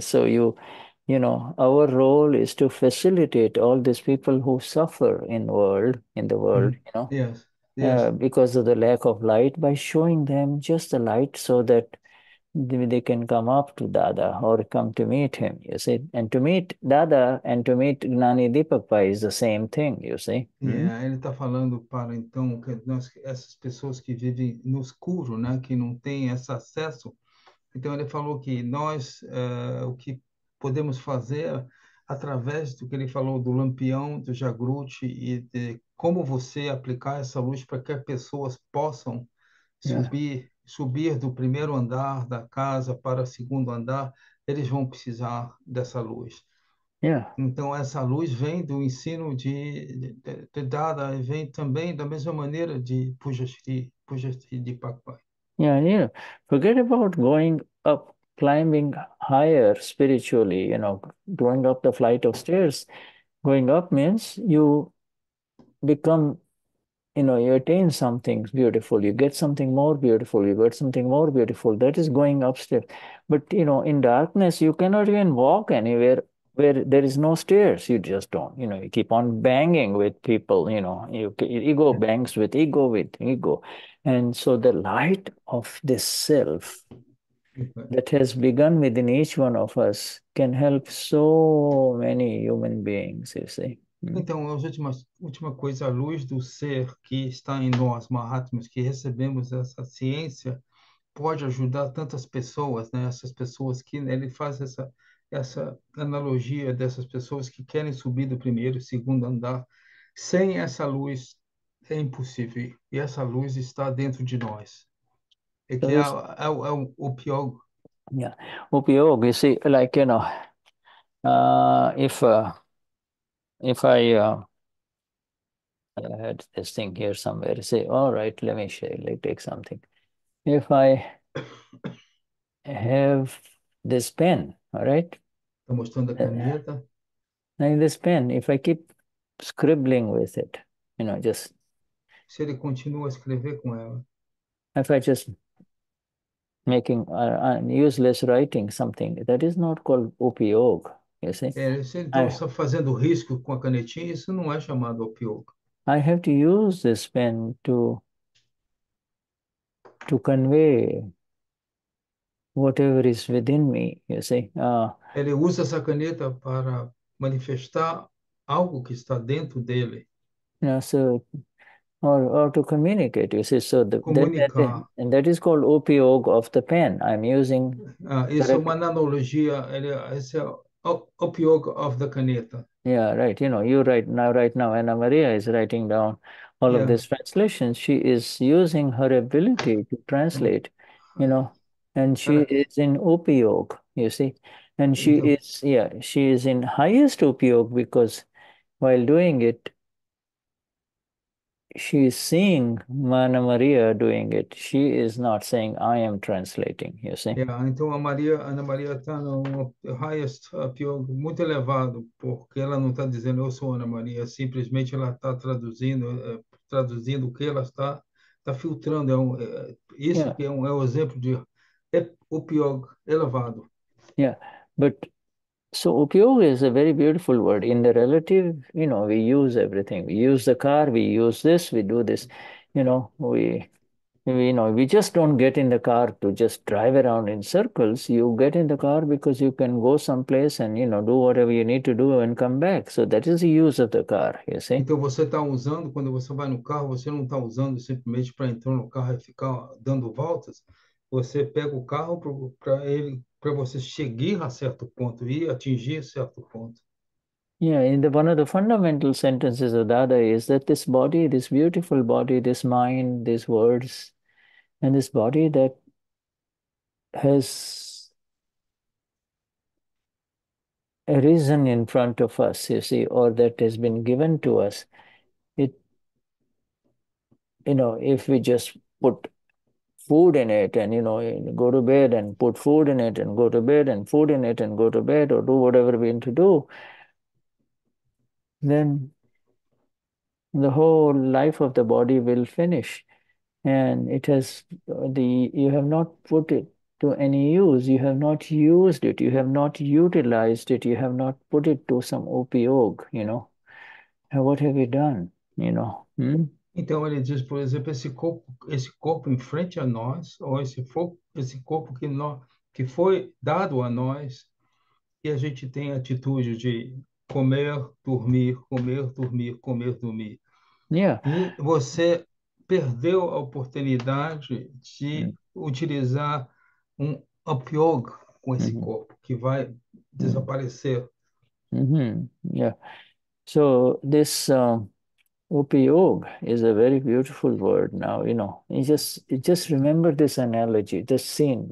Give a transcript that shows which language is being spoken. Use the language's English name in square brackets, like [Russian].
[English] So you know, our role is to facilitate all these people who suffer in the world, you know, yes. Because of the lack of light, by showing them just the light so that they can come up to Dada or come to meet him, you see. And to meet Dada and to meet Gnani Dipakpa is the same thing, you see. [Portuguese] Yeah, ele está falando para, então, que nós, essas pessoas que vivem no escuro, né, que não têm esse acesso. Então, ele falou que nós, o que podemos fazer através do que ele falou do lampião, do Jagruti e de como você aplicar essa luz para que as pessoas possam subir do primeiro andar da casa para o segundo andar, eles vão precisar dessa luz. Então, essa luz vem do ensino de Dada e vem também da mesma maneira de Pujastri de Pakpa. [English] Forget about going up, climbing higher spiritually, you know, going up the flight of stairs. Going up means you become, you know, you attain something beautiful, you get something more beautiful, you get something more beautiful. That is going upstairs. But, you know, in darkness, you cannot even walk anywhere where there is no stairs. You just don't, you know, you keep on banging with people, you know, ego bangs with ego. And so the light of this self that has begun within each one of us can help so many human beings, you see. [Portuguese] Então, a última coisa, a luz do ser que está em nós, Mahatmas, que recebemos essa ciência, pode ajudar tantas pessoas, né? Essas pessoas que, né, ele faz essa analogia dessas pessoas que querem subir do primeiro, segundo andar. Sem essa luz, é impossível. E essa luz está dentro de nós. É que é o pior. [English] Yeah. [Portuguese] O pior, [English] you see, like, you know, if I had this thing here somewhere, say, all right, let me share, let me take something. If I have this pen, all right? [Portuguese] Estou mostrando a caneta. [English] And this pen, if I keep scribbling with it, you know, just... [Portuguese] Se ele continua a escrever com ela. [English] If I just making useless writing something, that is not called upayog, you see? [Portuguese] É, se ele está fazendo risco com a canetinha, isso não é chamado upayog. [English] I have to use this pen to convey whatever is within me, you see? [Portuguese] Ele usa essa caneta para manifestar algo que está dentro dele. [English] Yeah, so, or to communicate, you see. So [Portuguese] comunicar. [English] And that is called upayog of the pen. I'm using... [Portuguese] Isso é uma analogia. Esse é upayog [English] of the [Portuguese] caneta. [English] Yeah, right. You know, you write now, right now, Ana Maria is writing down all of this translation. She is using her ability to translate, you know, and she is in upayog, you see. And she is in highest upayog because while doing it, she is seeing Ana Maria doing it. She is not saying, I am translating, you see. [Portuguese] Yeah, então Ana Maria está no [English] highest [Portuguese] upayog, muito elevado, porque ela não está dizendo, eu sou Ana Maria, simplesmente ela está traduzindo o que ela está filtrando. Isso que é um exemplo de upayog elevado. [English] Yeah, but so upayoga is a very beautiful word. In the relative, you know, we use everything. We use the car, we use this, we do this, you know, we you know, we just don't get in the car to just drive around in circles. You get in the car because you can go someplace and, you know, do whatever you need to do and come back. So that is the use of the car, you see? [Portuguese] Então você está usando, quando você vai no carro, você não está usando simplesmente para entrar no carro e ficar dando voltas. Você pega o carro para você chegar a certo ponto e atingir certo ponto. [English] Yeah, in one of the fundamental sentences of Dada is that this body, this beautiful body, this mind, these words, and this body that has arisen in front of us, you see, or that has been given to us, it, you know, if we just put food in it, and go to bed and put food in it, and go to bed and food in it, and go to bed, or do whatever we need to do, then the whole life of the body will finish, and it has the you have not put it to any use. You have not used it. You have not utilized it. You have not put it to some upayog. And what have you done? [Portuguese] Então ele diz, por exemplo, esse corpo em frente a nós, ou esse corpo que nós, que foi dado a nós, e a gente tem a atitude de comer, dormir, comer, dormir, comer, dormir. [English] Yeah. [Portuguese] E você perdeu a oportunidade de utilizar um upyog com esse corpo, que vai desaparecer. [English] Yeah. So this upyog is a very beautiful word now, you just remember this analogy, this scene.